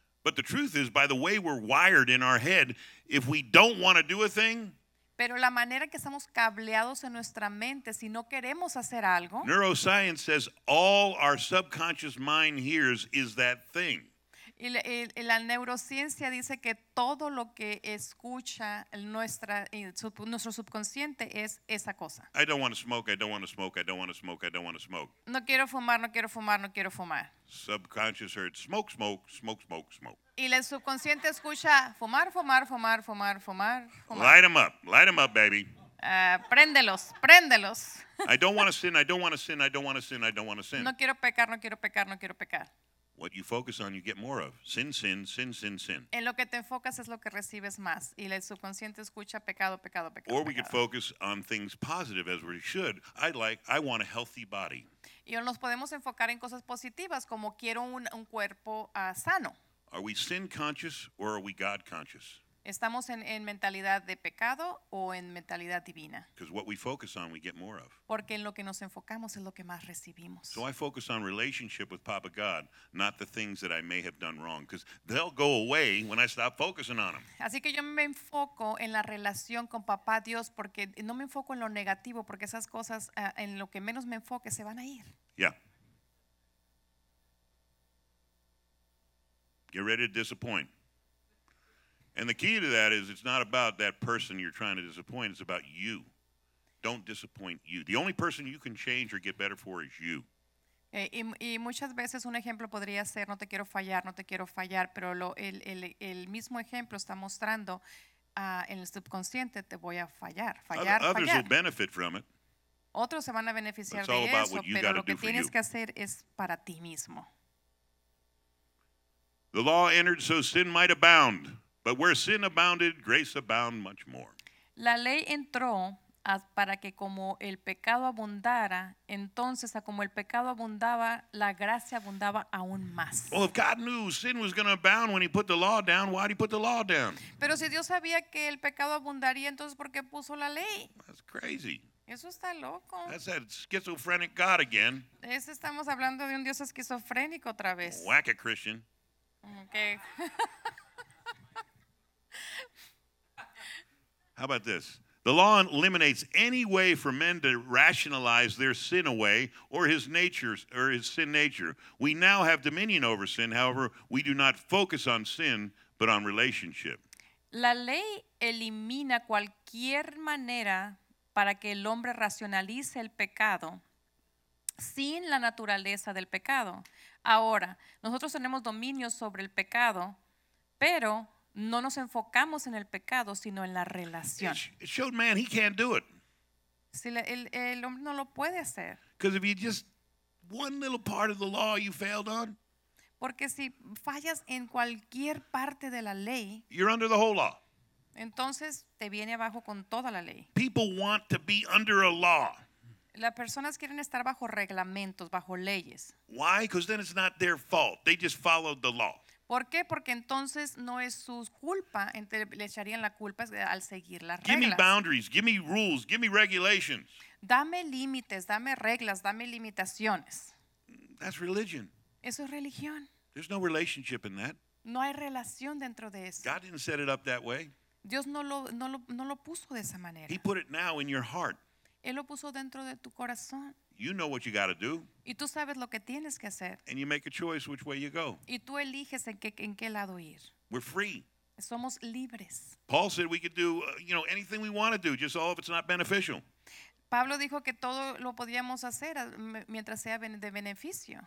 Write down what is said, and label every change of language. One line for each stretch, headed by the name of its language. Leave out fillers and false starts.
English: But the truth is, by the way we're wired in our head, if we don't want to do a thing,
Spanish: pero la manera que estamos cableados en nuestra mente, si no queremos hacer algo,
English: neuroscience says all our subconscious mind hears is that thing.
Spanish: Y la neurociencia dice que todo lo que escucha nuestro subconsciente es esa cosa.
English: I don't want to smoke, I don't want to smoke, I don't want to smoke, I don't want to smoke.
Spanish: No quiero fumar, no quiero fumar, no quiero fumar.
English: Subconscious heard smoke, smoke, smoke, smoke, smoke.
Spanish: Y el subconsciente escucha fumar, fumar, fumar, fumar, fumar.
English: Light them up, baby.
Spanish: Préndelos, préndelos.
English: I don't want to sin, I don't want to sin, I don't want to sin, I don't want to sin.
Spanish: No quiero pecar, no quiero pecar, no quiero pecar.
English: What you focus on, you get more of. Sin, sin, sin, sin, sin.
Spanish: En lo que te enfocas es lo que recibes más. Y el subconsciente escucha pecado, pecado, pecado.
English: Or we could focus on things positive, as we should. I want a healthy body.
Spanish: Y nos podemos enfocar en cosas positivas, como quiero un cuerpo sano.
English: Are we sin conscious or are we God conscious?
Spanish: Estamos en mentalidad de pecado o en mentalidad divina.
English: Because what we focus on, we get more of.
Spanish: Porque en lo que nos enfocamos es lo que más recibimos.
English: So I focus on relationship with Papa God, not the things that I may have done wrong, because they'll go away when I stop focusing on them.
Spanish: Así que yo me enfoco en la relación con Papá Dios, porque no me enfoco en lo negativo, porque esas cosas en lo que menos me enfoque se van a ir.
English: Yeah. Get ready to disappoint. And the key to that is it's not about that person you're trying to disappoint. It's about you. Don't disappoint you. The only person you can change or get better for is you.
Spanish: Y muchas veces un ejemplo podría ser, no te quiero fallar, no te quiero fallar, pero el mismo ejemplo está mostrando en el subconsciente, te voy a fallar, fallar, fallar.
English: Others will benefit from it.
Spanish: Otros se van a beneficiar de eso, pero lo que tienes que hacer es para ti mismo.
English: The law entered so sin might abound. But where sin abounded, grace abound much more.
Spanish: La ley entró para que como el pecado abundara, entonces a como el pecado abundaba, la gracia abundaba aún más.
English: Well, if God knew sin was going to abound when he put the law down, why did he put the law down?
Spanish: Pero si Dios sabía que el pecado abundaría, entonces ¿por qué puso la ley?
English: That's crazy.
Spanish: Eso está loco.
English: That's that schizophrenic God again. Ese estamos hablando de un Dios esquizofrénico otra vez. Whack it, Christian. Okay. How about this? The law eliminates any way for men to rationalize their sin away or his sin nature. We now have dominion over sin. However, we do not focus on sin, but on relationship.
Spanish: La ley elimina cualquier manera para que el hombre racionalice el pecado sin la naturaleza del pecado. Ahora, nosotros tenemos dominio sobre el pecado, pero no nos enfocamos en el pecado, sino en la relación.
English: It showed man he can't do it.
Spanish: Si el hombre no lo puede hacer.
English: Because if you just one little part of the law you failed on.
Spanish: Porque si fallas en cualquier parte de la ley.
English: You're under the whole law.
Spanish: Entonces te viene abajo con toda la ley.
English: People want to be under a law.
Spanish: Las personas quieren estar bajo reglamentos, bajo leyes.
English: Why? Because then it's not their fault. They just followed the law.
Spanish: ¿Por qué? Porque entonces no es su culpa, le echarían la culpa al seguir las reglas.
English: Give me boundaries, give me rules, give me regulations.
Spanish: Dame límites, dame reglas, dame limitaciones.
English: That's religion.
Spanish: Eso es religión.
English: There's no relationship in that.
Spanish: No hay relación dentro de eso.
English: God didn't set it up that way.
Spanish: Dios no lo puso de esa manera.
English: He put it now in your heart.
Spanish: Él lo puso dentro de tu corazón.
English: You know what you got to do.
Spanish: Y tú sabes lo que tienes que hacer.
English: And you make a choice which way you go.
Spanish: Y tú eliges en qué lado ir.
English: We're free.
Spanish: Somos libres.
English: Paul said we could do anything we want to do, just all if it's not beneficial.
Spanish: Pablo dijo que todo lo podíamos hacer mientras sea de beneficio.